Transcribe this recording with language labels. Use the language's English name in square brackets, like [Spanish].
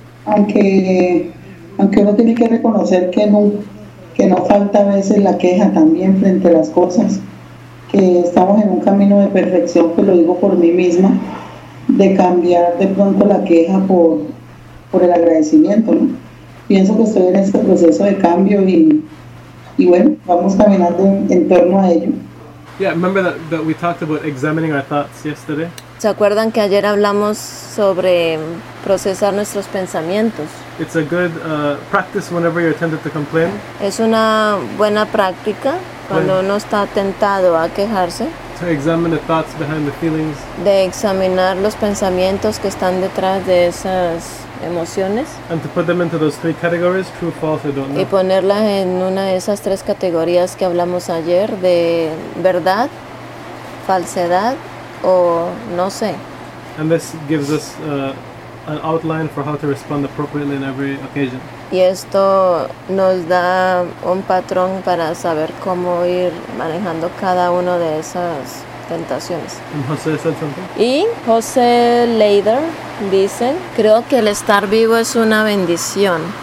[Spanish] Aunque uno tiene que reconocer que no falta a veces la queja también frente a las cosas, que estamos en un camino de perfección, que lo digo por mí misma, de cambiar de pronto la queja por el agradecimiento, ¿no? Pienso que estoy en este proceso de cambio y bueno, vamos caminando en torno a ello. [English] Yeah, remember that we talked about examining our thoughts yesterday? [Spanish] ¿Se acuerdan que ayer hablamos sobre procesar nuestros pensamientos? [English] It's a good practice whenever you're tempted to complain. [Spanish] Es una buena práctica cuando uno está tentado a quejarse. [English] To examine the thoughts behind the feelings. [Spanish] De examinar los pensamientos que están detrás de esas emociones. [English] And to put them into those three categories, true, false, or don't know. [Spanish] Y ponerlas en una de esas tres categorías que hablamos ayer, de verdad, falsedad o no sé. [English] And this gives us an outline for how to respond appropriately in every occasion. [Spanish] Y esto nos da un patrón para saber cómo ir manejando cada uno de esas tentaciones. Y José Leider dice: creo que el estar vivo es una bendición.